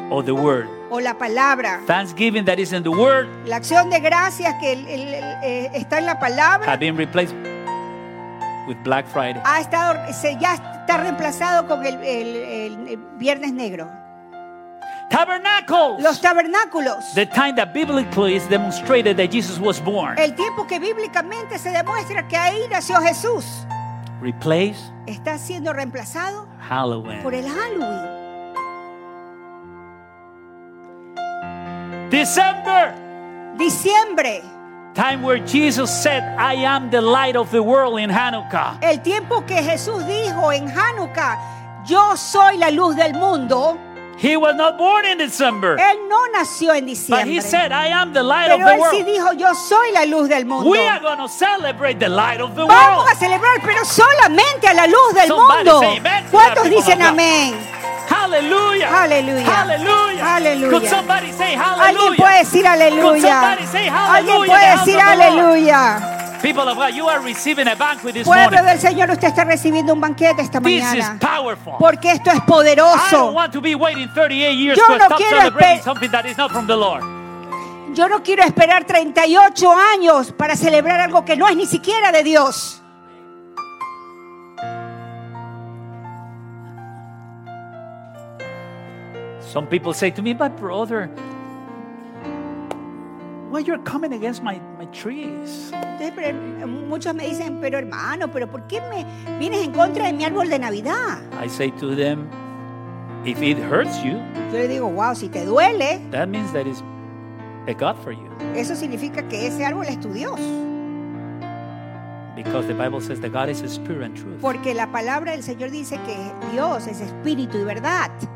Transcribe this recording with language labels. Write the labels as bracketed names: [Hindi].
[English] Or the word. [Spanish] O la palabra. [English] Thanksgiving that is in the word. [Spanish] La acción de gracias que está en la palabra. [English] Have been replaced with Black Friday. [Spanish] Ha estado, ya está reemplazado con el Viernes Negro. [English] Tabernacles. [Spanish] Los tabernáculos. [English] The time that biblically is demonstrated that Jesus was born. [Spanish] El tiempo que bíblicamente se demuestra que ahí nació Jesús. [English] Replace. [Spanish] Está siendo reemplazado. [English] Halloween. [Spanish] Por el Halloween. [English] December. [Spanish] Diciembre. [English] Time where Jesus said, "I am the light of the world" in Hanukkah. [Spanish] El tiempo que Jesús dijo en Hanukkah, "Yo soy la luz del mundo." [English] He was not born in December. [Spanish] Él no nació en diciembre. [English] But he said, "I am the light [Spanish] Pero [English] of the world." [Spanish] Pero él sí dijo, "Yo soy la luz del mundo." [English] We are going to celebrate the light of the [Spanish] Vamos Vamos a celebrar, pero solamente a la luz del [English] Somebody [Spanish] mundo. [English] Say amen. [Spanish] ¿Cuántos dicen amén? Hallelujah. Hallelujah. Hallelujah. Hallelujah. [English] Could somebody say hallelujah? [Spanish] Alguien puede decir aleluya. [English] Could somebody say hallelujah? [Spanish] Alguien puede decir aleluya. [English] People of God, you are receiving a banquet this [Spanish] Pueblo [English] morning. [Spanish] Del Señor, usted está recibiendo un banquete esta [English] this [Spanish] mañana. [English] This is powerful. [Spanish] Porque esto es poderoso. [English] I don't want to be waiting 38 years Yo to no stop celebrating something that is not from the Lord. [Spanish] Yo no quiero esperar 38 años para celebrar algo que no es ni siquiera de Dios. [English] Some people say to me, "My brother, why you're coming against my trees?" [Spanish] Muchos me dicen, "Pero hermano, pero ¿por qué me vienes en contra de mi árbol de Navidad?" [English] I say to them, "If it hurts you," [Spanish] yo le digo, "Wow, si te duele." [English] That means that it's a God for you. [Spanish] Eso significa que ese árbol es tu Dios. [English] Because the Bible says that God is spirit and truth. [Spanish] Porque la palabra del Señor dice que Dios es espíritu y verdad.